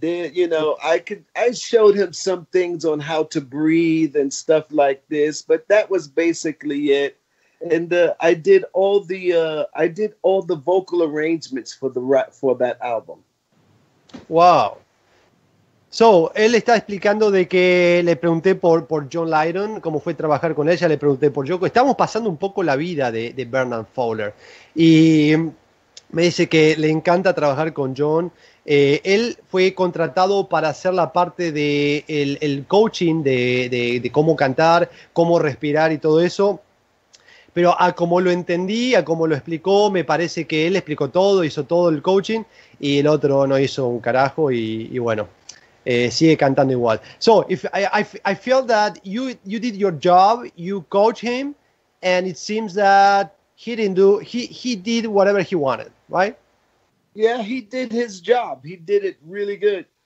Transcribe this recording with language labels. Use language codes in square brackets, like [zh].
[en] You know, I showed him some things on how to breathe and stuff like this, but that was basically it. And I did all the vocal arrangements for that album. Wow. [es] So, él está explicando de que le pregunté por John Lydon, cómo fue trabajar con ella, le pregunté por Yoko. Estamos pasando un poco la vida de Bernard Fowler. Y me dice que le encanta trabajar con John. Él fue contratado para hacer la parte de el coaching de cómo cantar, cómo respirar y todo eso. Pero a como lo entendí, a como lo explicó, me parece que él explicó todo, hizo todo el coaching y el otro no hizo un carajo y bueno. Sigue cantando igual. [en] So if I feel that you did your job, you coach him, and it seems that he did whatever he wanted, right? Yeah, he did his job. He did it really good.